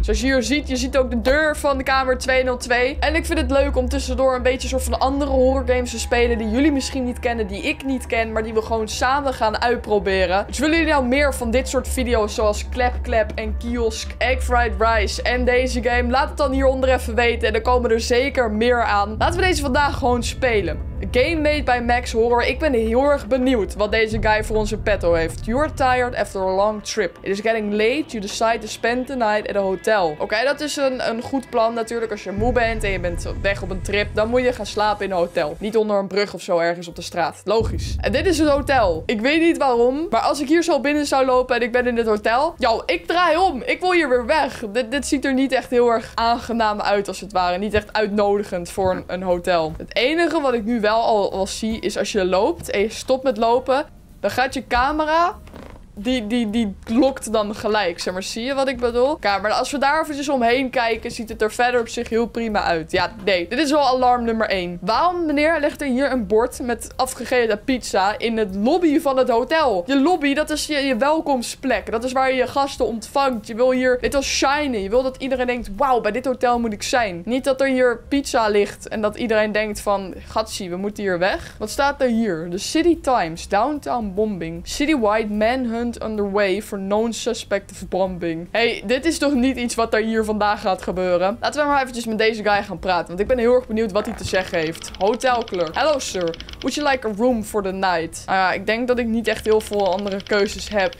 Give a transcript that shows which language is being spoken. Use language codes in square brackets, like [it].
[nl] Zoals je hier ziet, je ziet ook de deur van de Kamer 202. En ik vind het leuk om tussendoor een beetje soort van andere horrorgames te spelen die jullie misschien niet kennen, die ik niet ken, maar die we gewoon samen gaan uitproberen. Dus willen jullie nou meer van dit soort video's zoals Clap Clap en Kiosk, Egg Fried Rice en deze game? Laat het dan hieronder even weten en er komen er zeker meer aan. Laten we deze vandaag gewoon spelen. [en] Game made by [nl] Max Horror. Ik ben heel erg benieuwd wat deze guy voor onze petto heeft. [en] You're tired after a long trip. It is getting late. You decide to spend the night at a hotel. [nl] Oké, dat is een goed plan natuurlijk. Als je moe bent en je bent weg op een trip, dan moet je gaan slapen in een hotel. Niet onder een brug of zo ergens op de straat. Logisch. En dit is het hotel. Ik weet niet waarom, maar als ik hier zo binnen zou lopen en ik ben in het hotel. Yo, ik draai om. Ik wil hier weer weg. Dit ziet er niet echt heel erg aangenaam uit als het ware. Niet echt uitnodigend voor een hotel. Het enige wat ik nu wel al zie is als je loopt en je stopt met lopen, dan gaat je camera die lokt dan gelijk, zeg maar. Zie je wat ik bedoel? Maar als we daar eventjes omheen kijken, ziet het er verder op zich heel prima uit. Ja, nee. Dit is wel alarm nummer 1. Waarom, meneer, legt er hier een bord met afgegeten pizza in het lobby van het hotel? Je lobby, dat is je welkomstplek. Dat is waar je gasten ontvangt. Je wil hier dit als shine. Je wil dat iedereen denkt, wauw, bij dit hotel moet ik zijn. Niet dat er hier pizza ligt en dat iedereen denkt van, gatsie, we moeten hier weg. Wat staat er hier? The City Times. [en] Downtown bombing. Citywide manhunt underway for known suspect of bombing. [nl] Hey, dit is toch niet iets wat er hier vandaag gaat gebeuren? Laten we maar eventjes met deze guy gaan praten, want ik ben heel erg benieuwd wat hij te zeggen heeft. [en] Hotel clerk. Hello sir, would you like a room for the night? [nl] Ik denk dat ik niet echt heel veel andere keuzes heb.